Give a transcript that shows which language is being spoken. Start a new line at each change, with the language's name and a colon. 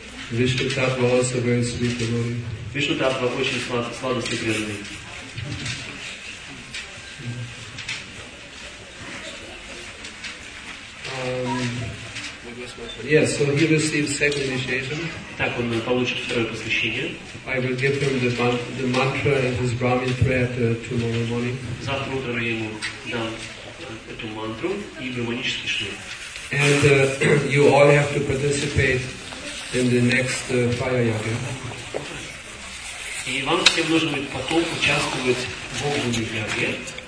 English: Вишну Татва also very sweet devotee.
Russian: Вишну Татва очень сладостный преданный.
English: Yes, so he receives second initiation.
Russian: Так он получит второе посвящение.
English: I will give him the mantra and his Brahmin prayer tomorrow morning.
Russian: Завтра утром я ему дам эту мантру и брахманический шнур.
English: And you all have to participate in the next fire yoga.
Russian: И вам всем нужно будет потом участвовать в огненной яге.